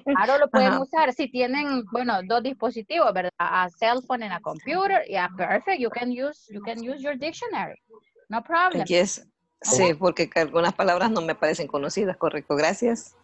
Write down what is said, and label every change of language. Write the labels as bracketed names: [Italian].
[Spanish] Ahora lo pueden usar si tienen, bueno, dos dispositivos, ¿verdad? [English] A cell phone and a computer, yeah, perfect, you can use your dictionary, no problem. Yes, okay. [Spanish] Sí, porque algunas palabras no me parecen conocidas, correcto, gracias.